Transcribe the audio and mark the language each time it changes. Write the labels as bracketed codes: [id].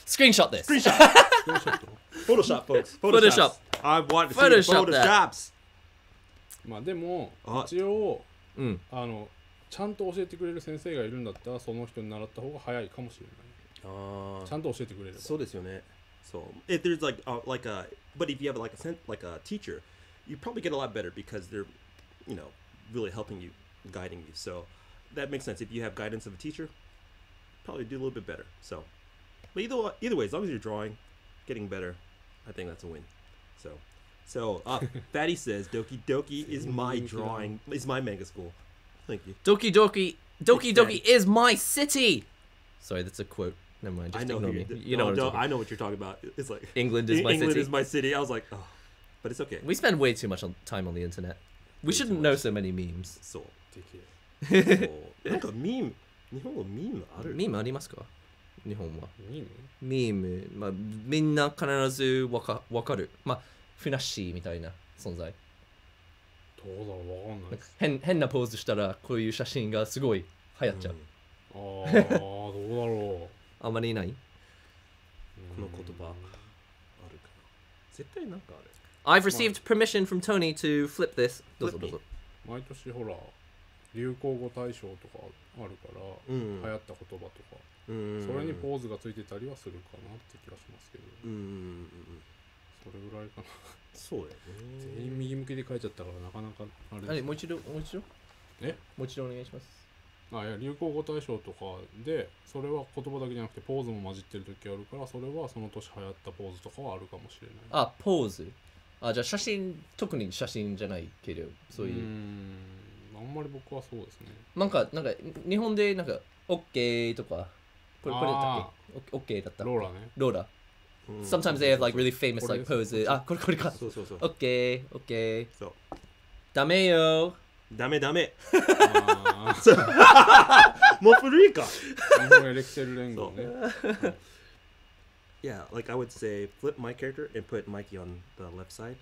[en] Screenshot this. Screenshot. Photoshop, folks. Photoshop. I want to Photoshop see the photoshops. [ja] まあでも、一応、ちゃんと教えてくれる先生がいるんだったら、その人に習った方が早いかもしれない。ちゃんと教えてくれれば。そうですよね。 [en] So, if there's like, like a, but if you have like a, like a teacher, you probably get a lot better because they're, you know, really helping you, guiding you. So,That makes sense. If you have guidance of a teacher, probably do a little bit better. So, but either way, as long as you're drawing, getting better, I think that's a win. So, Fatty says, Doki Doki is my drawing, is my manga school. Thank you. Doki Doki, Doki Doki is my city. Sorry, that's a quote. Never mind. Just I know ignore you, me. You know oh, what no, I'm talking. I know what you're talking about. It's like, England is my England city. England is my city. I was like, oh, but it's okay. We spend way too much time on the internet. We way shouldn't know so many memes. So, take care. [ja] なんかミーム、日本語ミームある？ミームありますか？日本は。ミーム？ミーム、まあみんな必ずわかる。まあフィナッシーみたいな存在。どうだろう、わかんないです。変なポーズしたらこういう写真がすごい流行っちゃう。うん、ああ、どうだろう。あまりいない？この言葉あるかな。絶対なんかある。 [en] I've received permission from Tony to flip this. [ja] どうぞどうぞ。毎年ほら。流行語大賞とかあるから、うんうん、流行った言葉とか、うんうんうん、それにポーズがついてたりはするかなって気がしますけど、うんうんうん、それぐらいかな。そうだよね。全員右向きで書いちゃったからなかなかあれです。もう一度、もう一度。え？もう一度お願いします。あ、いや、流行語大賞とかで、それは言葉だけじゃなくてポーズも混じってる時あるから、それはその年流行ったポーズとかはあるかもしれない。あ、ポーズ。あ、じゃあ写真、特に写真じゃないけど、そういう。うあんまり僕はそうですね。なんか日本でなんかオッケーとかこれだったっけ？オッケーだった。ローラね。ローラ。 [en] Sometimes they have like really famous like poses。 [ja] あ、これか。そうそうそう。オッケー、オッケー。そう。ダメよ。ダメダメ。もう古いか。もうエレクセル連合ね。 [en] Yeah, like I would say flip my character and put Mikey on the left side.